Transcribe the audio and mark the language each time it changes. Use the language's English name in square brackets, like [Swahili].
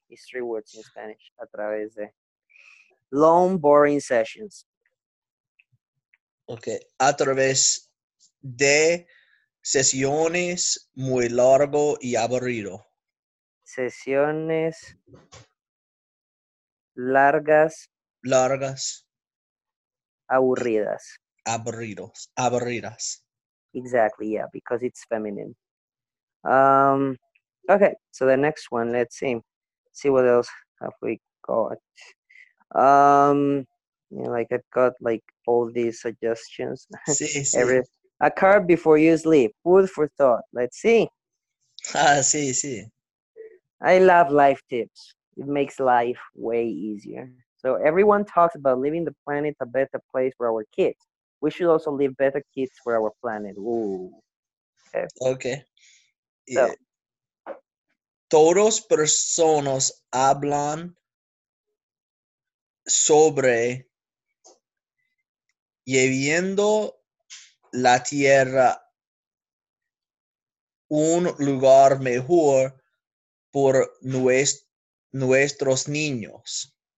[English] It's three words in Spanish, [Spanish] a través de. [English] Long, boring sessions. [Spanish] Okay, a través de sesiones muy largo y aburrido. Sesiones largas. Largas. Aburridas. Aburridos. Aburridas. [English] Exactly, yeah, because it's feminine. Okay, so the next one, let's see. See what else have we got. I've got all these suggestions. [Spanish] Sí, sí. [English] A card before you sleep. Food for thought. Let's see. [Spanish] Ah, sí, sí. [English] I love life tips. It makes life way easier. So everyone talks about leaving the planet a better place for our kids. We should also leave better kids for our planet. Ooh. Okay. So, yeah. [Spanish] Todos personas hablan sobre lleviendo la tierra un lugar mejor por nuestros niños.